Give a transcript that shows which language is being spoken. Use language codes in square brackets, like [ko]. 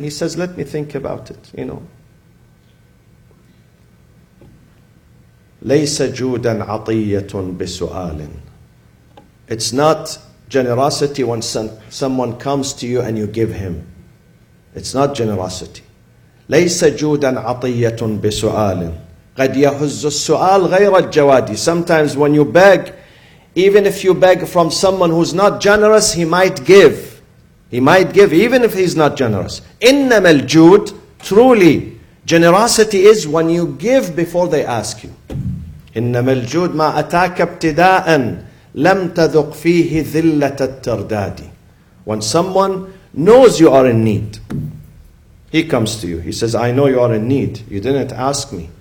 [en] He says, let me think about it, you know. [ar] ليس جودا عطية بسؤال. [en] It's not generosity when someone comes to you and you give him. It's not generosity. [ar] ليس جودا عطية بسؤال. قد يهز السؤال غير الجواد. [en] Sometimes when you beg, even if you beg from someone who's not generous, he might give. He might give even if he's not generous. [ar] إنما الجود, [en] truly, Generosity is when you give before they ask you. [ar] إنما الجود ما أتاك ابتداء لم تذق فيه ذلة الترداد. [en] When someone knows you are in need, he comes to you. He says, I know you are in need. You didn't ask me.